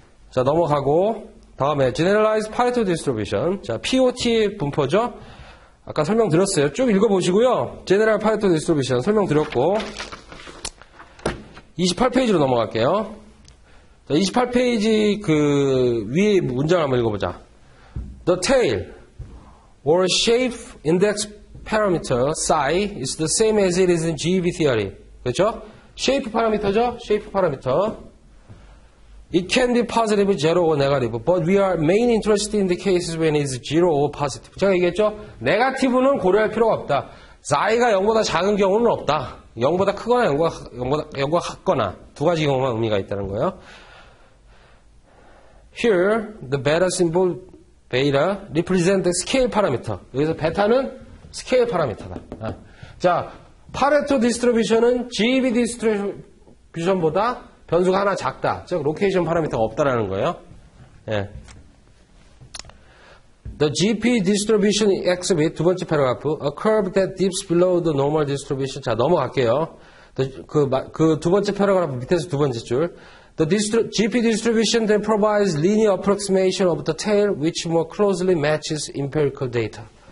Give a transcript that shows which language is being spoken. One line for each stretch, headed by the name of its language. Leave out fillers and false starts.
Korean: 자, 넘어가고 다음에 Generalized Pareto Distribution. 자, POT 분포죠. 아까 설명드렸어요. 쭉 읽어보시고요. General Pareto Distribution 설명드렸고 28페이지로 넘어갈게요. 자, 28페이지 그 위에 문장을 한번 읽어보자.
English: The tail or shape index parameter psi is the same as it is in GEB theory.
Korean: 그렇죠? shape parameter죠? shape parameter.
English: It can be positive, zero or negative. But we are main interested in the cases when it's zero or positive.
Korean: 제가 얘기했죠? negative는 고려할 필요가 없다. psi가 0보다 작은 경우는 없다. 0보다 크거나 0과 같거나 두 가지 경우만 의미가 있다는 거예요.
English: Here, the beta symbol beta represents the scale parameter.
Korean: 여기서 베타는 스케일 파라미터다. 아. 자, 파레토 디스트리뷰션은 GEB 디스트리뷰션보다 변수가 하나 작다. 즉, 로케이션 파라미터가 없다라는 거예요. 예.
English: The GP distribution exhibit,
Korean: 두 번째 패러그래프,
English: a curve that dips below the normal distribution.
Korean: 자, 넘어갈게요. 두 번째 패러그래프 밑에서 두 번째 줄.
English: The GP distribution then provides linear approximation of the tail, which more closely matches empirical data.